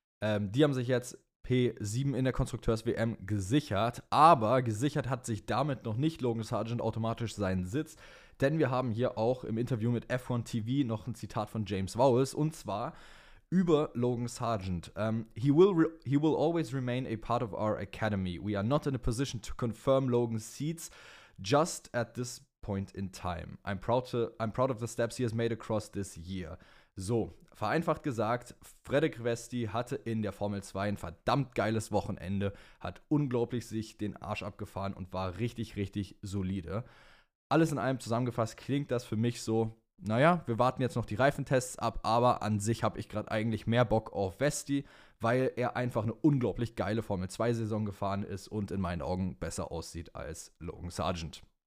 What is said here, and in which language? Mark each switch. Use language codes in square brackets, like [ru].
[de] Die haben sich jetzt P7 in der Konstrukteurs-WM gesichert, aber gesichert hat sich damit noch nicht Logan Sargeant automatisch seinen Sitz, denn wir haben hier auch im Interview mit F1 TV noch ein Zitat von James Vowles und zwar über Logan Sargeant. [en] He will always remain a part of our academy. We are not in a position to confirm Logan's seats just at this point in time. I'm proud of the steps he has made across this year. [de] So, vereinfacht gesagt, Frederic Vesti hatte in der Formel 2 ein verdammt geiles Wochenende, hat unglaublich sich den Arsch abgefahren und war richtig, richtig solide. Alles in allem zusammengefasst klingt das für mich so, naja, wir warten jetzt noch die Reifentests ab, aber an sich habe ich gerade eigentlich mehr Bock auf Vesti, weil er einfach eine unglaublich geile Formel 2-Saison gefahren ist und in meinen Augen besser aussieht als Logan Sargeant.